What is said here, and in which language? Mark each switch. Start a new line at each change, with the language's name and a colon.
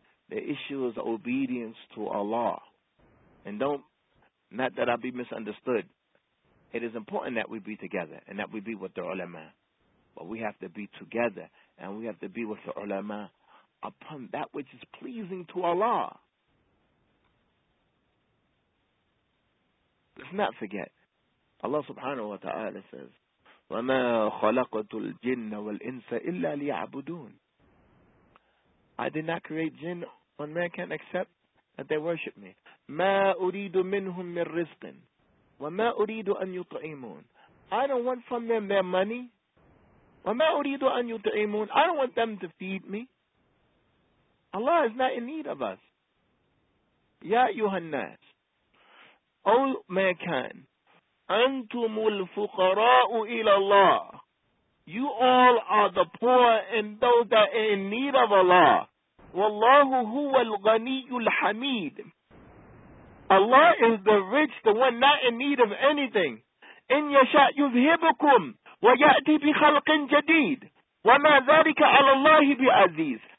English: The issue is obedience to Allah. And not that I be misunderstood. It is important that we be together and that we be with the ulama. But we have to be together and we have to be with the ulama upon that which is pleasing to Allah. Let's not forget. Allah subhanahu wa ta'ala says,
Arabic: وَمَا خَلَقَتُ الْجِنَّ وَالْإِنسَ إِلَّا لِيَعْبُدُونَ.
English: I did not create jinn. One man can't accept that they worship me.
Arabic: مَا أُرِيدُ مِنْهُمْ مِنْ رِزْقٍ وَمَا أُرِيدُ أَنْ يُطْعِمُونَ.
English: I don't want from them their money.
Arabic: وَمَا أُرِيدُ أَنْ يُطْعِمُونَ.
English: I don't want them to feed me. Allah is not in need of us.
Arabic: يَا أَيُّهَا النَّاسِ.
English: All mankind,
Arabic: أَنْتُمُ الْفُقَرَاءُ إِلَى اللَّهِ.
English: You all are the poor and those that are in need of Allah.
Arabic: وَاللَّهُ هُوَ الْغَنِيُّ الْحَمِيدُ.
English: Allah is the rich, the one not in need of anything.
Arabic: إِنْ يَشَأْ يُذْهِبُكُمْ وَيَأْتِ بِخَلْقٍ جَدِيدٍ وَمَا ذَلِكَ عَلَى اللَّهِ بِعَزِيزٍ.